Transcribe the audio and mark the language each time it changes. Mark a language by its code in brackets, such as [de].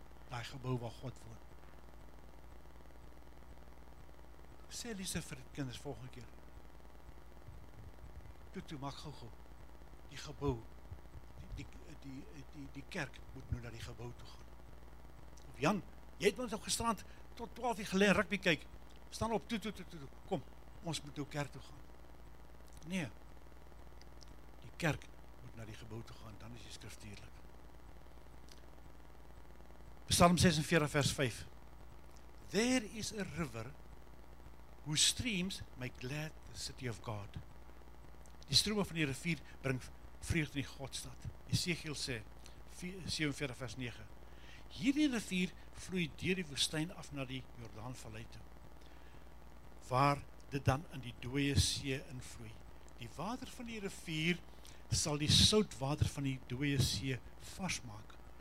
[af] Die gebouw waar God woon. Sê Lise vir die kinders volgende keer. Toe, maak gauw. Die gebouw, die kerk moet nou naar die gebouw toe gaan. Of Jan, jy het ons op gestrand tot 12 uur gelê rugby kyk. Staan op, toe. Kom, ons moet nou kerk toe gaan. Nee, die kerk moet naar die gebouw toe gaan, dan is die skrif duidelik. Psalm 46 vers 5. [en] There is a river whose streams make glad the city of God. [af] Die strome van die rivier bring vreugde in die Godstad. Esegiel sê, 47 vers 9, hierdie rivier vloei deur die woestyn af na die Jordaanvallei toe, waar dit dan in die dooie see invloei. Die water van die rivier sal die soutwater van die dooie see vasmaak.